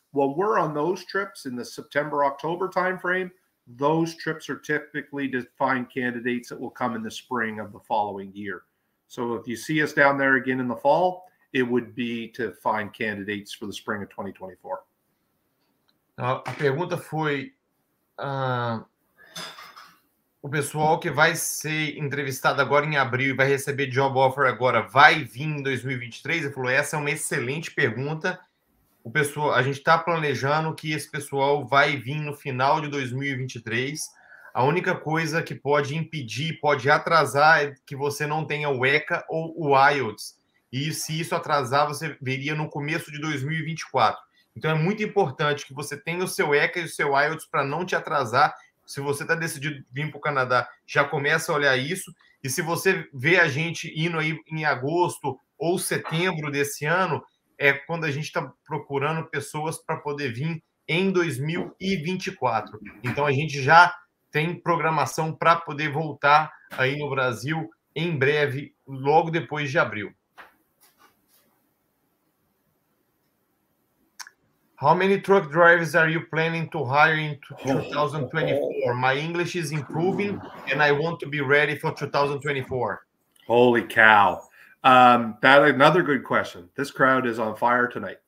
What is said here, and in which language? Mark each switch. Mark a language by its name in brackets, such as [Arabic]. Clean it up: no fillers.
[English] When we're on those trips in the September, October timeframe, those trips are typically to find candidates that will come in the spring of the following year. So if you see us down there again in the fall, it would be to find candidates for the spring of 2024. [Portuguese] A pergunta foi, O pessoal que vai ser entrevistado agora em abril e vai receber [English] job offer [Portuguese] agora, vai vir em 2023? Ele falou, essa é uma excelente pergunta. O pessoal, a gente está planejando que esse pessoal vai vir no final de 2023. A única coisa que pode impedir, pode atrasar, é que você não tenha o ECA ou o IELTS. E se isso atrasar, você viria no começo de 2024. Então, é muito importante que você tenha o seu ECA e o seu IELTS para não te atrasar. Se você está decidido vir para o Canadá, já começa a olhar isso. E se você vê a gente indo aí em agosto ou setembro desse ano, é quando a gente está procurando pessoas para poder vir em 2024. Então, a gente já tem programação para poder voltar aí no Brasil em breve, logo depois de abril. [English] How many truck drivers are you planning to hire in 2024? My English is improving and I want to be ready for 2024. Holy cow. That's another good question. This crowd is on fire tonight.